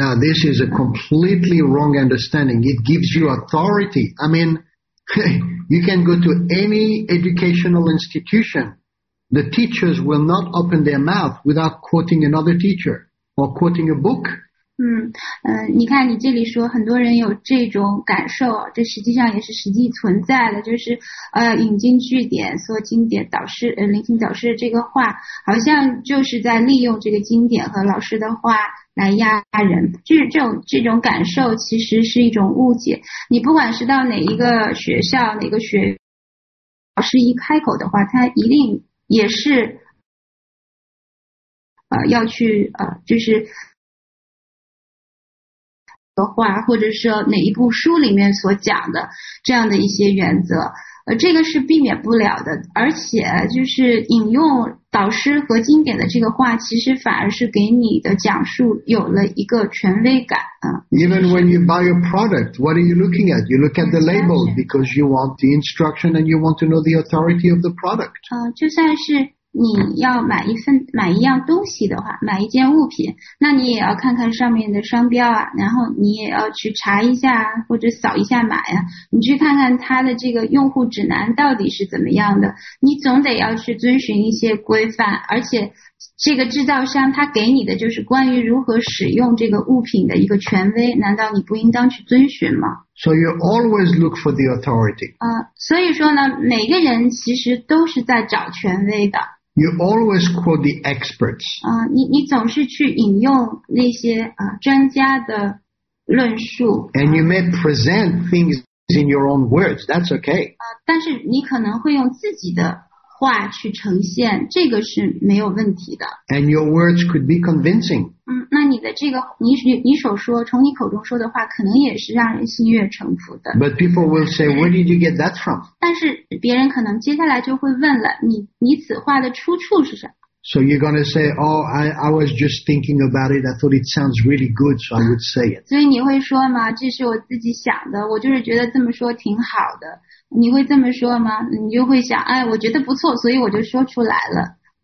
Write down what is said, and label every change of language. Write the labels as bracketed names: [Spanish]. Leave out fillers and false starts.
[English] Now this is a completely wrong understanding. It gives you authority. I mean, you can go to any educational institution. The teachers will not open their mouth without quoting another teacher or quoting a book. [Chinese] 你看你这里说很多人有这种感受，这实际上也是实际存在的，就是引经据典，说经典导师聆听导师的这个话，好像就是在利用这个经典和老师的话来压人，这种感受其实是一种误解。你不管是到哪一个学校，哪个学老师一开口的话，他一定也是要去就是的话，或者是哪一部书里面所讲的这样的一些原则，这个是避免不了的。而且就是引用导师和经典的这个话，其实反而是给你的讲述有了一个权威感。 [English] Even when you buy a product, what are you looking at? You look at the label because you want the instruction and you want to know the authority of the product. [Chinese] 就算是你要买一样东西的话，买一件物品，那你也要看看上面的商标啊，然后你也要去查一下或者扫一下码呀，你去看看它的这个用户指南到底是怎么样的，你总得要去遵循一些规范，而且这个制造商他给你的就是关于如何使用这个物品的一个权威，难道你不应当去遵循吗？ [English] So you always look for the authority. [Chinese] 所以说呢，每个人其实都是在找权威的。 [English] You always quote the experts. [Chinese] 你总是去引用那些专家的论述。 [English] And you may present things in your own words. That's okay. [Chinese] 但是你可能会用自己的话去呈现，这个是没有问题的。 [English] And your words could be convincing. [Chinese] 那你的这个你所说从你口中说的话，可能也是让人心悦诚服的。 [English] But people will say, where did you get that from? [Chinese] 但是别人可能接下来就会问了，你此话的出处是什么？ [English] So you're gonna say, oh, I was just thinking about it. I thought it sounds really good, so I would say it. [Chinese] 所以你会说吗？这是我自己想的，我就是觉得这么说挺好的。你会这么说吗？你就会想，哎，我觉得不错，所以我就说出来了。